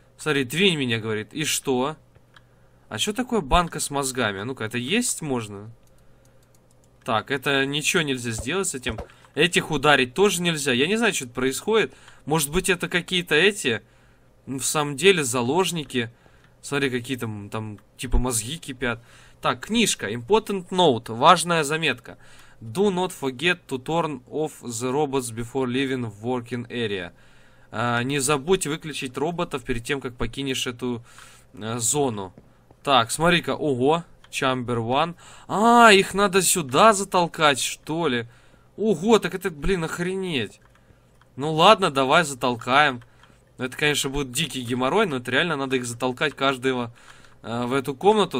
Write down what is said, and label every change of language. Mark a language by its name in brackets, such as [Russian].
[Russian] Смотри, двинь меня, говорит. И что? А что такое банка с мозгами? А ну-ка, это есть можно? Так, это ничего нельзя сделать с этим. Этих ударить тоже нельзя. Я не знаю, что происходит. Может быть, это какие-то эти, в самом деле, заложники. Смотри, какие там типа мозги кипят. Так, книжка. [English] Important note. [Russian] Важная заметка. [English] Do not forget to turn off the robots before leaving the working area. [Russian] Не забудь выключить роботов перед тем, как покинешь эту зону. Так, смотри-ка. Ого. Chamber 1. А, их надо сюда затолкать, что ли? Ого, так это, блин, охренеть. Ну ладно, давай затолкаем. Это, конечно, будет дикий геморрой, но это реально надо их затолкать каждого в эту комнату.